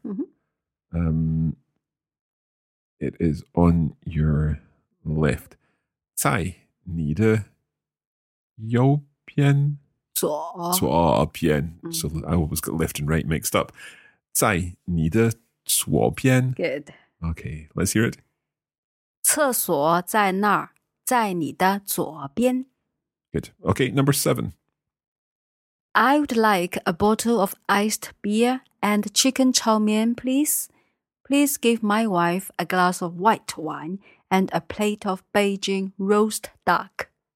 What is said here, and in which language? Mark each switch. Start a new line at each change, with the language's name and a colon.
English: Mm-hmm. It is on your left.
Chinese: 在你的右边左边
English: So I always got left and right mixed up.
Chinese: 在你的左边
English: Good. Okay, let's hear it.
Chinese: 厕所在那儿在你的左边。
English: Good. Okay, number seven. I would like a bottle of iced beer and chicken chow mein, please. Please give my wife a glass of white wine and a plate of Beijing roast duck.